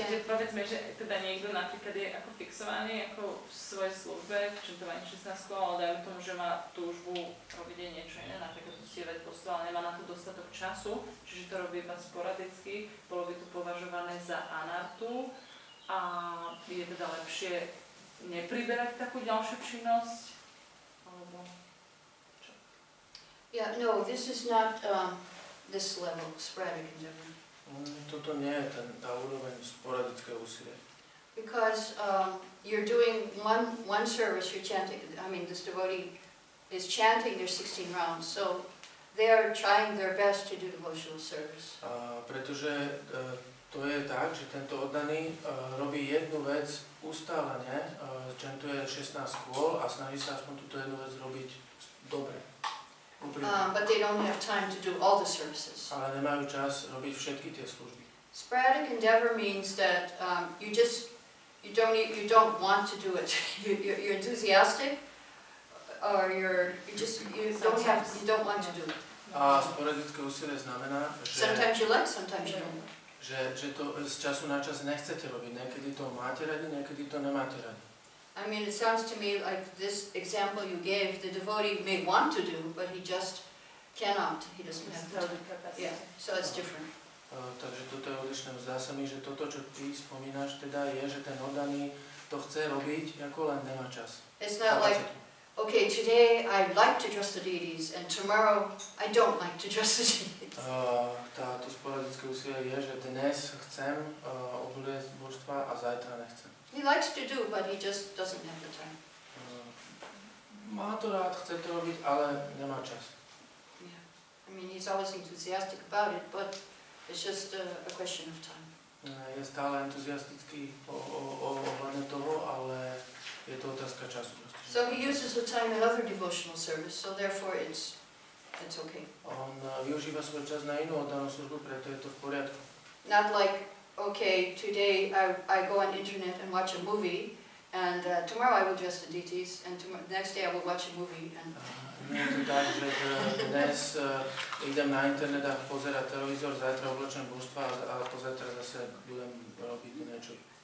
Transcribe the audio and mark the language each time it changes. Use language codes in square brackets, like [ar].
[sk] Povedzme, že teda niekto napríklad je ako fixovaný ako v svojej službe, v čentovaní 16, ale dajú tomu, že má túžbu robiť niečo iné, napríklad uctievať božstva, ale nemá na to dostatok času, čiže to robí iba sporadicky, bolo by to považované za anartu a je teda lepšie nepriberať takú ďalšiu činnosť, alebo čo? [en] Yeah, no, this is not this level, sporadic endeavor. [sk] Toto nie je ten tá úroveň sporadické úsilie. [en] Because you're doing one service, you're chanting, this devotee is chanting their 16 rounds, so they are trying their best to do devotional service. [sk] Pretože to je tak, že tento oddaný robí jednu vec ustálenie, chantuje 16 kôl a snaží sa aspoň túto jednu vec robiť dobre. [en] But they don't have time to do all the services. [sk] Ale nemajú čas robiť všetky tie služby. [en] Sporadic endeavor means that you don't want to do it. You're enthusiastic or you don't want to do it. [sk] A sporadické úsilie znamená, že [en] sometimes you like, sometimes you don't. [sk] Že to z času na čas nechcete robiť. Niekedy to máte radi, niekedy to nemáte radi. [en] I mean, it sounds to me like this example you gave, the devotee may want to do, but he just cannot. He doesn't have the capacity. Yeah, so it's different. [sk] Takže toto je odlišné. Zdá sa mi, že toto, čo ty spomínaš, teda je, že ten oddaný to chce robiť, ako len nemá čas. [en] It's not like, okay, today I like to dress the deities and tomorrow I don't like to dress the deities. [sk] Táto sporadické úsilie je, že dnes chcem obľúbiť božstva a zajtra nechcem. [en] He likes to do, but he just doesn't have the time. [sk] Má to rád, chce to robiť, ale nemá čas. [en] Yeah. I mean, he's always enthusiastic about it, but it's just a question of time. [sk] Je stále entuziastický ohľadne toho, ale je to otázka času. [en] So he uses the time in other devotional service, so therefore it's okay. [sk] On využíva svoj čas na inú oddanú službu, preto je to v poriadku. [en] Not like, okay, today I go on internet and watch a movie, and tomorrow I will dress the deities, and next day I will watch a movie. And [sk] nie je to tak, že dnes idem na internet a pozerať televízor, zajtra obločím božstva a pozajtra zase budem robiť niečo.